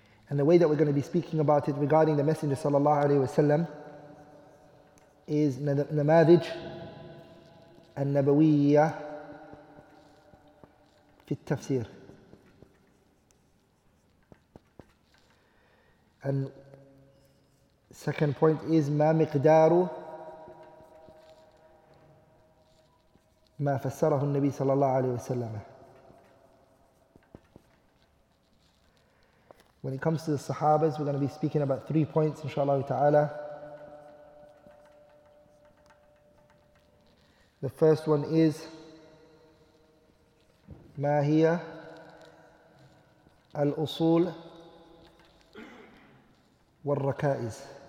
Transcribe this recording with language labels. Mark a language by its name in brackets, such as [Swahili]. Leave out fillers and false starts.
[English] And the way that we're going to be speaking about it regarding the Messenger [Arabic] صلى الله عليه وسلم [English] is [Arabic] نماذج النبوية في التفسير. [English] And second point is [Arabic] ما مقدار ما فسره النبي صلى الله عليه وسلم. [English] When it comes to the Sahabas, we're going to be speaking about three points inshallah ta'ala. The first one is [Arabic] ما هي الأصول والركائز.